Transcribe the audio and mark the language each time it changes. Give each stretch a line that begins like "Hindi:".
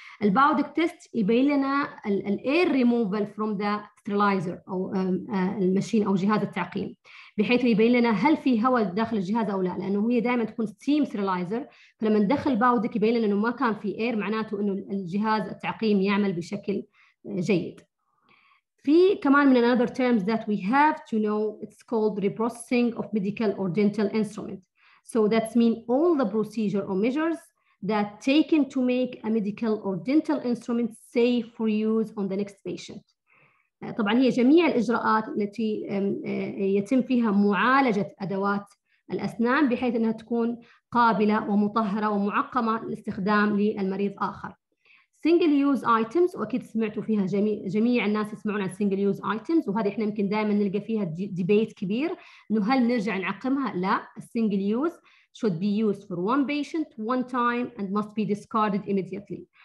Arabic: الباودك تيست يبين لنا
English: الاير removal from the steriliser
Arabic: أو المشين أو جهاز التعقيم، بحيث يبين لنا هل في هواء داخل الجهاز أو لا، لأنه هي دائما تكون ستيم سترلايزر، فلما ندخل باودك يبين لنا إنه ما كان في اير، معناته إنه الجهاز التعقيم يعمل بشكل جيد. في كمان من
English: another terms that we have to know, it's called reprocessing of medical or dental instrument. So that means all the procedure or measures that taken to make a medical or dental instrument safe for use on the next patient.
Arabic: طبعا هي جميع الإجراءات التي يتم فيها معالجة أدوات الأسنان بحيث أنها تكون قابلة ومطهرة ومعقمة لاستخدام للمريض آخر. single use items واكيد سمعتوا فيها جميع الناس يسمعون عن single use items، وهذه احنا يمكن دائما نلقى فيها ديبيت كبير انه هل نرجع نعقمها؟ لا،
English: single use should be used for one patient one time and must be discarded immediately.